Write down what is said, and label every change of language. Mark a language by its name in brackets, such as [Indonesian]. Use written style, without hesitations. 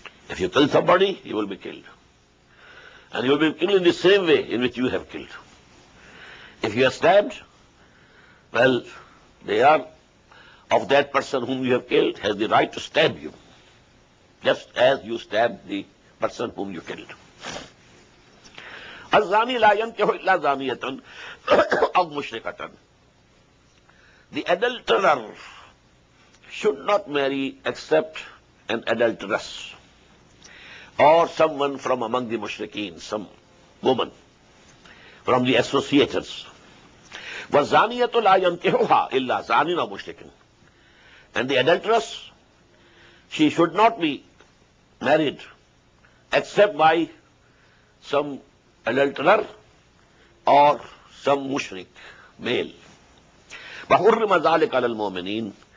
[English] If you kill somebody, you will be killed. And you will be killed in the same way in which you have killed. If you are stabbed, well, they are of that person whom you have killed has the right to stab you, just as you stab the person whom you killed. [Arabic] الزاني لا ينكح إلا زانية أو مشركة. [English] The adulterer should not marry except an adulteress or someone from among the mushrikeen, some woman from the associates. [Arabic] والزانية لا ينكحها إلا زاني أو مشرك. [English] And the adulteress, she should not be married except by some adulterer or some mushrik male. [Arabic] وَحُرِّمَ ذَلِكَ عَلَى الْمُؤْمِنِينَ.